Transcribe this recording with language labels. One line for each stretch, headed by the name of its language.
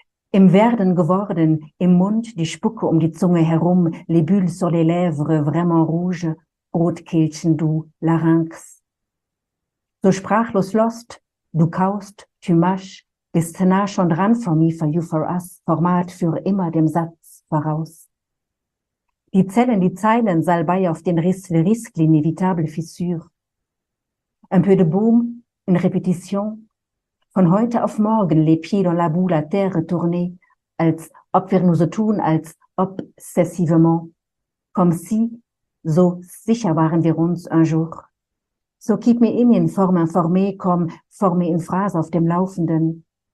German: Im Werden geworden, im Mund die Spucke um die Zunge herum,
French: les bulles sur les lèvres, vraiment rouge,
German: Rotkehlchen, du, Larynx. So sprachlos lost, du kaust,
French: tu mâches,
German: bist nah schon dran,
English: for me, for you, for us,
German: Format für immer dem Satz voraus. Die Zellen, die Zeilen, Salbei auf den Riss,
French: le risque, l'inévitable fissure. Un peu de boom, une répétition.
German: Von heute auf morgen,
French: les pieds dans la boue, la terre tournée,
German: als ob wir nur so tun, als obsessivement.
French: Comme si,
German: so sicher waren wir uns
French: un jour.
English: So keep me in
French: forme informé, comme formé in phrase
German: auf dem Laufenden.